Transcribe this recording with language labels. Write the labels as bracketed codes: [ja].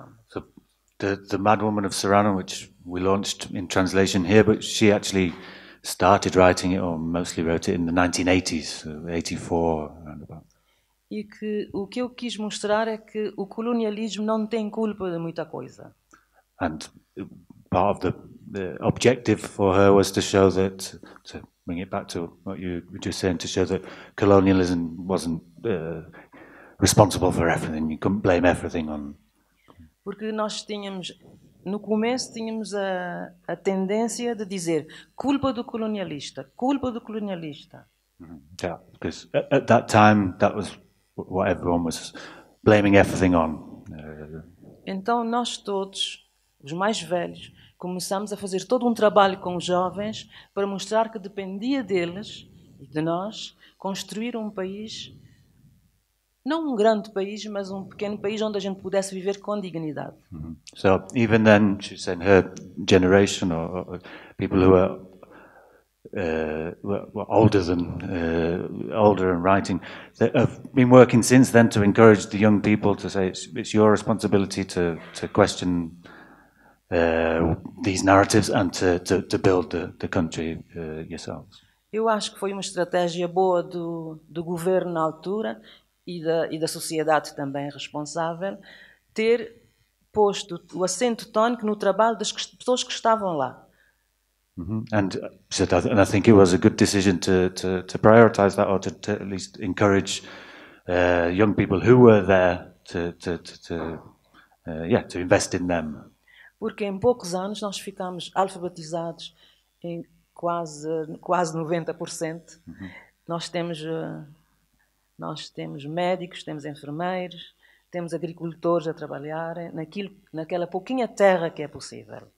[en] So, the Madwoman of Serrano, which we launched in translation here, but she actually started writing it, or mostly wrote it, in the 1980s, so 84, around about. [pt] E que, o que eu quis mostrar é que o colonialismo não tem culpa de muita coisa. [en] And part of the objective for her was to show that, to bring it back to what you were just saying, to show that colonialism wasn't responsible for everything. You couldn't blame everything on. [pt] Porque nós tínhamos, no começo, tínhamos a tendência de dizer culpa do colonialista, culpa do colonialista. Mm-hmm. [en] Yeah, because at that time, that was what everyone was blaming everything on. [pt] Então nós todos, os mais velhos, começamos a fazer todo trabalho com os jovens para mostrar que dependia deles e de nós construir país, não grande país, mas pequeno país onde a gente pudesse viver com dignidade. Mm-hmm. [en] So, even then, she said her generation, or people who were older and writing, that have been working since then to encourage the young people to say it's your responsibility to question these narratives and to build the country yourselves. [pt] Eu acho que foi uma estratégia boa do governo na altura e da sociedade também responsável ter posto o acento tónico no trabalho das pessoas que estavam lá. Mm-hmm. [en] And I think it was a good decision to prioritize that, or to at least encourage young people who were there to invest in them. [pt] Porque em poucos anos nós ficamos alfabetizados em quase 90%. Uhum. Nós temos médicos, temos enfermeiros, temos agricultores a trabalhar naquela pouquinha terra que é possível.